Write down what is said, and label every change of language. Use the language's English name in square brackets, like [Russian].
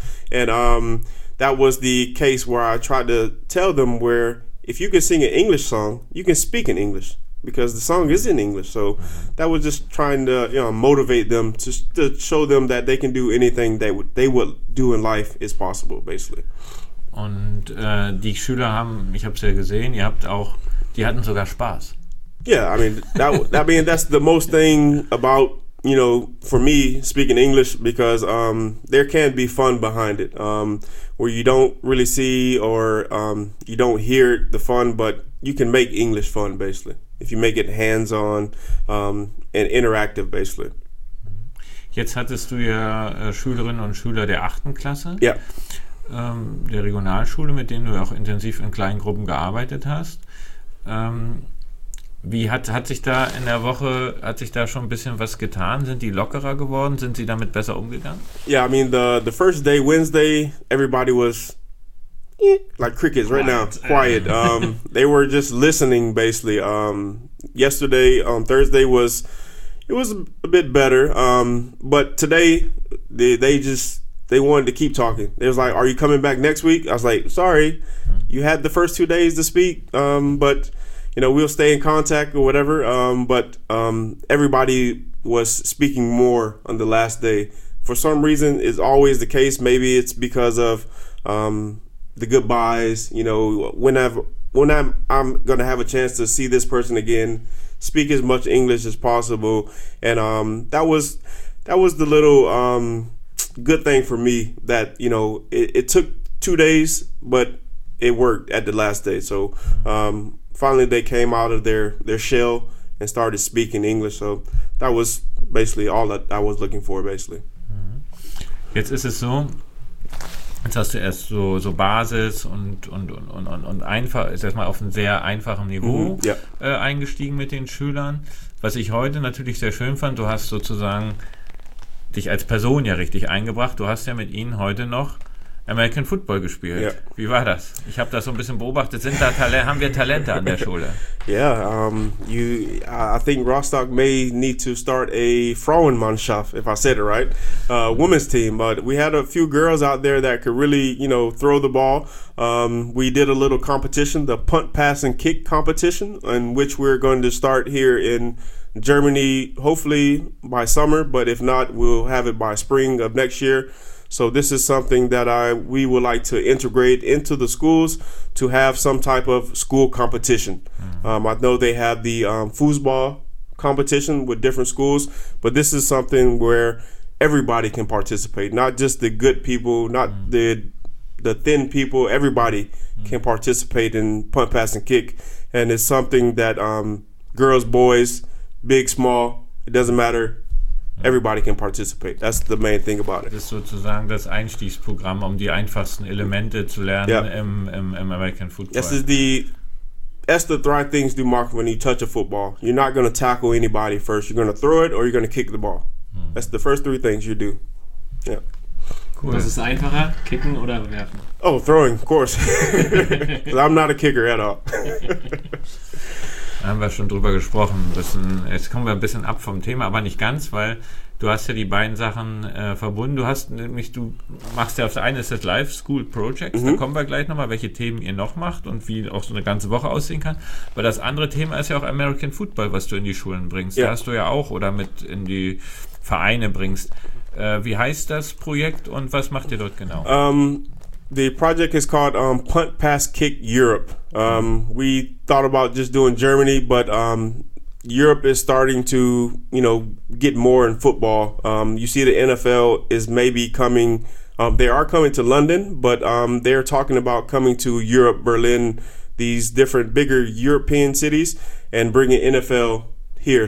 [English] And that was the case where I tried to tell them where if you can sing an English song, you can speak in English because the song is in English. So that was just trying to, you know, motivate them to show them that they can do anything that they would do in life is possible, basically. [German] Und die Schüler haben, ich habe es ja gesehen, ihr habt auch, die hatten sogar Spaß. [English] Yeah, I mean, that's the most thing about, you know, for me speaking English, because there can be fun behind it, where you don't really see or you don't hear the fun, but you can make English fun, basically, if you make it hands-on and interactive, basically. [German] Jetzt hattest du ja Schülerinnen und Schüler der 8. Klasse, [English] yeah. [German] Der Regionalschule, mit denen du auch intensiv in kleinen Gruppen gearbeitet hast. Wie hat sich da in der Woche, hat sich da schon ein bisschen was getan? Sind die lockerer geworden? Sind sie damit besser umgegangen? [English] Yeah, I mean, the first day, Wednesday, everybody was like crickets right now, quiet. They were just listening, basically. Yesterday, Thursday, it was a bit better. But today, they wanted to keep talking. They was like, are you coming back next week? I was like, sorry, you had the first 2 days to speak, but... You know, we'll stay in contact or whatever, but everybody was speaking more on the last day. For some reason, it's always the case. Maybe it's because of the goodbyes, you know, when I'm going to have a chance to see this person again, speak as much English as possible. And that was the little good thing for me that, you know, it took 2 days, but it worked at the last day. So, finally, they came out of their shell and started speaking English. So that was basically all that I was looking for, basically. [German] Jetzt ist es so, jetzt hast du erst so Basis und einfach, ist erstmal auf einem sehr einfachen Niveau eingestiegen mit den Schülern. Was ich heute natürlich sehr schön fand, du hast sozusagen dich als Person ja richtig eingebracht. Du hast ja mit ihnen heute noch American Football gespielt. [English] Yeah. [German] Wie war das? Ich habe das so ein bisschen beobachtet. Sind da haben wir Talente an der Schule? [English] Yeah, I think Rostock may need to start a Frauenmannschaft, if I said it right, women's team. But we had a few girls out there that could really, you know, throw the ball. We did a little competition, the punt, pass, and kick competition, in which we're going to start here in Germany, hopefully by summer. But if not, we'll have it by spring of next year. So this is something that we would like to integrate into the schools to have some type of school competition. Mm-hmm. I know they have the foosball competition with different schools, but this is something where everybody can participate, not just the good people, not mm-hmm. the thin people. Everybody mm-hmm. can participate in punt, pass, and kick. And it's something that girls, boys, big, small, it doesn't matter. Everybody can participate. That's the main thing about it. [German] Das ist sozusagen das Einstiegsprogramm, um die einfachsten Elemente zu lernen im American Football. [English] This is the three things you mark when you touch a football. You're not going to tackle anybody first. You're going to throw it or you're going to kick the ball. That's the first three things you do. Yeah. Cool. [German] Was ist einfacher, kicken oder werfen? [English] Oh, throwing, of course. Because I'm not a kicker at all. [German] Da haben wir schon drüber gesprochen. Jetzt kommen wir ein bisschen ab vom Thema, aber nicht ganz, weil du hast ja die beiden Sachen verbunden. Du hast nämlich, du machst ja auf der einen ist das Live School Project, mhm. da kommen wir gleich nochmal, welche Themen ihr noch macht und wie auch so eine ganze Woche aussehen kann. Aber das andere Thema ist ja auch American Football, was du in die Schulen bringst. Ja. Da hast du ja auch oder mit in die Vereine bringst. Wie heißt das Projekt und was macht ihr dort genau? [English] The project is called Punt, Pass, Kick Europe. We thought about just doing Germany, but Europe is starting to, you know, get more in football. You see the NFL is maybe coming. They are coming to London, but they're talking about coming to Europe, Berlin, these different bigger European cities, and bringing NFL here.